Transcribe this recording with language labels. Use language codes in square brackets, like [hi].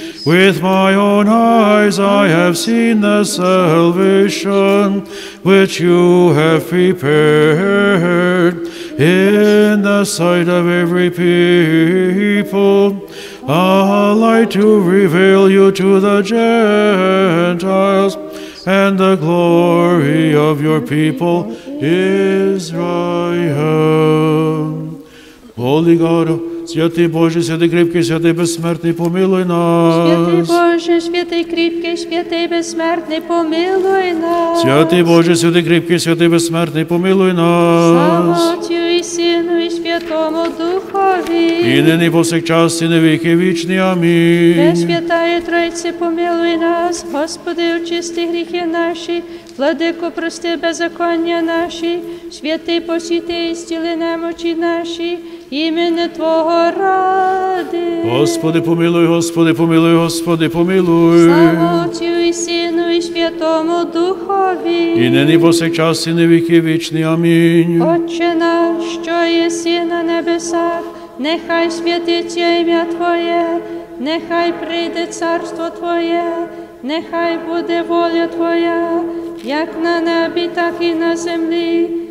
[en] With my own eyes I have seen the salvation which you have prepared in the sight of every people, a light to reveal you to the Gentiles, and the glory of your people Israel. Holy God, [uk] Святий Боже, святий кріпкий, святий безсмертний, помилуй нас. Святий Боже, святий кріпкий, святий безсмертний, помилуй нас. Святий Боже, святий кріпкий, святий безсмертний, помилуй нас. Слава Отцю і Сину і Святому Духові. І нині повсякчас і навіки вічні. Амінь. Пресвятая Троїця, помилуй нас. Господи, очисти гріхи наші. Владико, прости беззаконня наші. Святий, посвяти і зціли немочі наші. Імені Твого ради. Господи, помилуй, Господи, помилуй, Господи, помилуй. Слава Отцю і Сину і Святому Духові. І нині повсякчас і навіки вічні. Амінь. Отче наш, що єси на небесах, нехай святиться ім'я Твоє, Нехай прийде царство Твоє, нехай буде воля Твоя, як на небі, так і на землі.